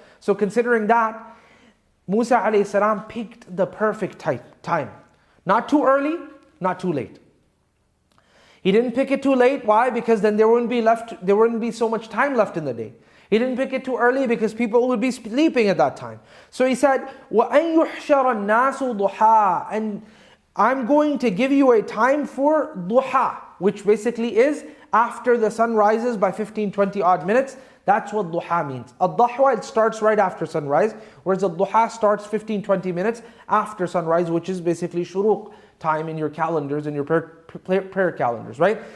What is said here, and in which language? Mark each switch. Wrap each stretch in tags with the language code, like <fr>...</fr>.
<en>So considering that, Musa alayhi salam picked the perfect time. Not too early, not too late. He didn't pick it too late. Why? Because then there wouldn't be so much time left in the day. He didn't pick it too early because people would be sleeping at that time. So he said,</en> <ar>وَأَن يُحْشَرَ النَّاسُ ضُحَىٰ.</ar> <en>And I'm going to give you a time for duha, which basically is after the sun rises by 15, 20 odd minutes. That's what duha means. Ad-dahwa, it starts right after sunrise, whereas ad-duha starts 15, 20 minutes after sunrise, which is basically shuruq time in your calendars, in your prayer calendars, right?</en>